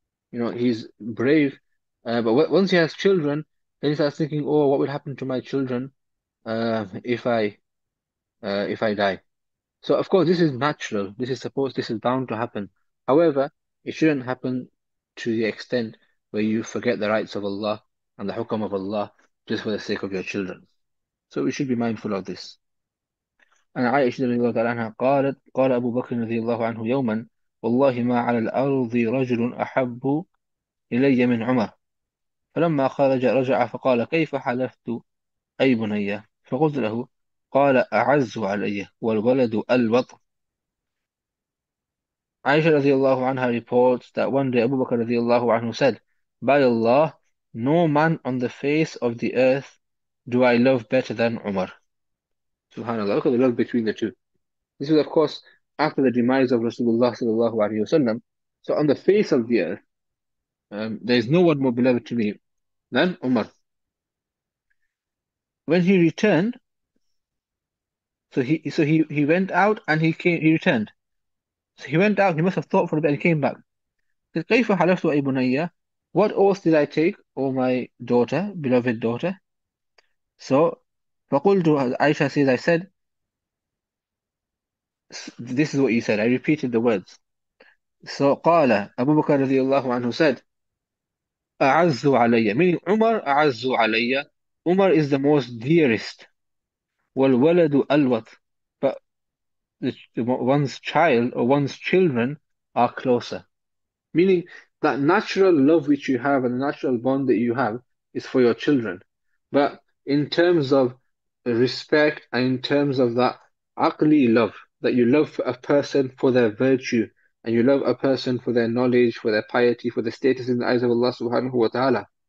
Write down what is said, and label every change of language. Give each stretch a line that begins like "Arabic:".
English: He's brave. But once he has children, then he starts thinking, "Oh, what will happen to my children if I die?" So of course, this is natural. This is bound to happen. However, it shouldn't happen to the extent where you forget the rights of Allah and the hukam of Allah just for the sake of your children. So we should be mindful of this.
Arabic: And Aisha رضي الله تعالى عنها قالت قال أبو بكر رضي الله عنه يوما والله ما على الأرض رجل أحب إلي من عمر فلما خرج رجع فقال كيف حلفت أي بني فقلت له قال أعز علي والولد الوطن.
English: Aisha رضي الله عنها reports that one day Abu Bakr رضي الله عنه said, "By Allah, no man on the face of the earth do I love better than Umar." Subhanallah, look at the love between the two. This is, of course, after the demise of Rasulullah sallallahu alaihi wasallam. So on the face of the earth, there is no one more beloved to me than Umar. When he returned, so he went out and he came, he returned. So he went out, he must have thought for a bit and he came back. He said,
Arabic: "Kayfa halaftu ay bunayya?
English: What oath did I take, O my daughter, beloved daughter?" So فقلت, Aisha says, I said, this is what you said, I repeated the words.
Arabic: So قال أبو بكر رضي الله عنه said, أعز علي, meaning Umar أعز علي,
English: Umar is the most dearest.
Arabic: والولد ألوط,
English: but one's child or one's children are closer. Meaning that natural love which you have and the natural bond that you have is for your children. But in terms of respect and in terms of that aqli love, that you love a person for their virtue and you love a person for their knowledge, for their piety, for their status in the eyes of Allah subhanahu wa ta'ala.